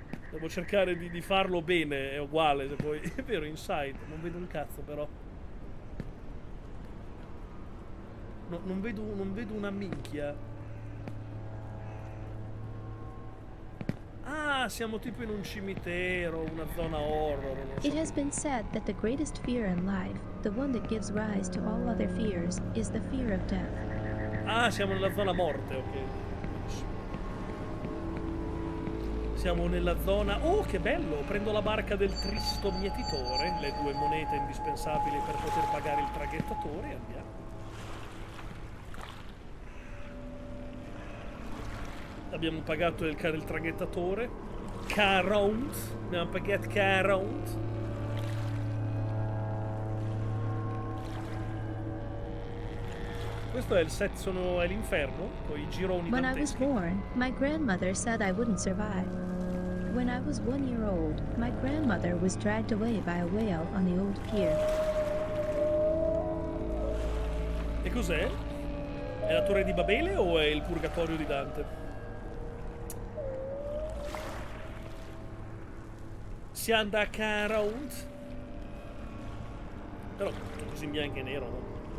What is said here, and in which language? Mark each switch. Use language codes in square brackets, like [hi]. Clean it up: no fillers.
[it] Devo cercare di farlo bene, è uguale. Se poi... È vero, Inside, non vedo un cazzo, però. No, non vedo una minchia. Ah, siamo tipo in un cimitero, una zona horror. Non so. [en] It has been said that the greatest fear in life, the one that gives rise to all other fears, is the fear of death. [it] Ah, siamo nella zona morte, ok. Siamo nella zona... Oh, che bello! Prendo la barca del tristo mietitore, le due monete indispensabili per poter pagare il traghettatore, andiamo. Abbiamo pagato il traghettatore. Caront. Abbiamo pagato Caront. Questo è il set, sono è l'inferno, con i gironi danteschi. [en] When I was born, my grandmother said I wouldn't survive. When I was 1 year old, my grandmother was dragged away by a whale on the old pier. [it] E cos'è? È la Torre di Babele o è il Purgatorio di Dante? Si anda a Caront. Però tutto così in bianco e nero, no?